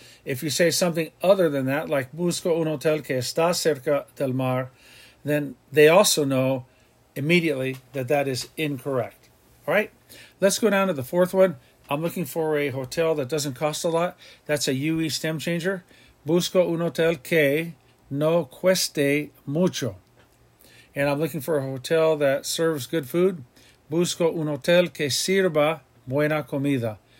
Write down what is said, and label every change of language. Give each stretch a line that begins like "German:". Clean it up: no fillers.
English: If you say something other than that, like
Spanish: busco un hotel que está cerca del mar,
English: then they also know immediately that that is incorrect. All right, let's go down to the fourth one. I'm looking for a hotel that doesn't cost a lot. That's a UE stem changer.
Spanish: Busco un hotel que no cueste mucho.
English: And I'm looking for a hotel that serves good food.
Spanish: Busco un hotel que sirva buena comida.